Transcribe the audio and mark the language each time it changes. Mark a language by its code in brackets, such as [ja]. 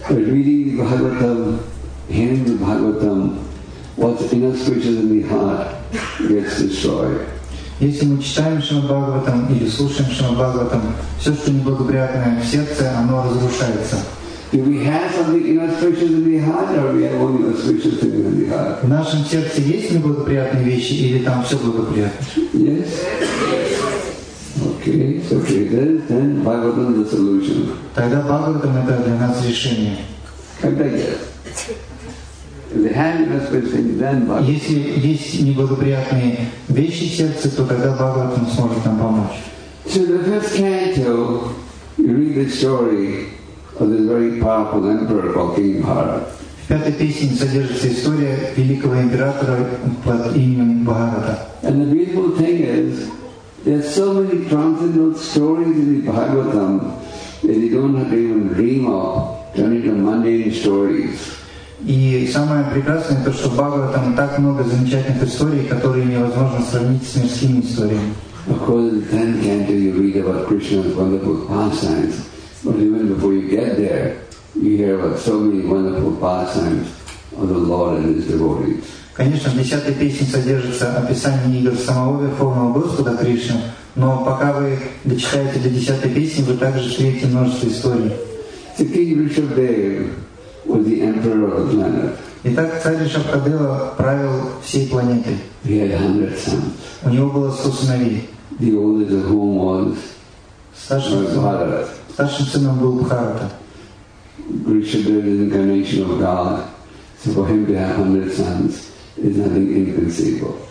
[en] Reading the Bhagavatam, hearing the Bhagavatam, what's in us which is in the heart gets destroyed. [ru] Если мы читаем Шримад Бхагаватам или слушаем Шримад Бхагаватам, все, что неблагоприятное в сердце, оно разрушается. [en] Do we have something inauspicious in the heart, or we have only auspicious things in the heart? [ru] В нашем сердце есть неблагоприятные вещи, или там все благоприятно? [en] Yes. Okay. So then Bhagavatam is the solution. [ru] Тогда Бхагаватам это для нас решение. Когда нет? Если есть неблагоприятные вещи в сердце, то тогда Бхагаватам сможет нам помочь. [en] So the first canto, you read the story of this very powerful emperor called King Bharat. [ru] В пятой песне содержится история великого императора под именем Бхарата. [en] And the beautiful thing is, there's so many transcendental stories in the Bhagavatam that you don't have to even dream of turning to mundane stories. [ru] И самое прекрасное то, что в Бхагаватам так много замечательных историй, которые невозможно сравнить с мирскими историями. [en] Of course, in the 10th canto you read about Krishna's wonderful pastimes, but even before you get there, you hear about so many wonderful pastimes of the Lord and His devotees. [ru] Конечно, в 10-й песне содержится описание игр самого Верховного Господа Кришны, но пока вы дочитаете до 10-й песни, вы также читаете множество историй. [en] So King Rishabdev was the emperor of the planet. [ru] Итак, царь Ришабхадева правил всей планетой. [en] He had 100 sons. [ru] У него было 100 сыновей. [en] The oldest of whom was Bharata. [ru] Старшим сыном был Бхарата. [en] Ришабхадева is the incarnation of God. So for him to have 100 sons is nothing inconceivable.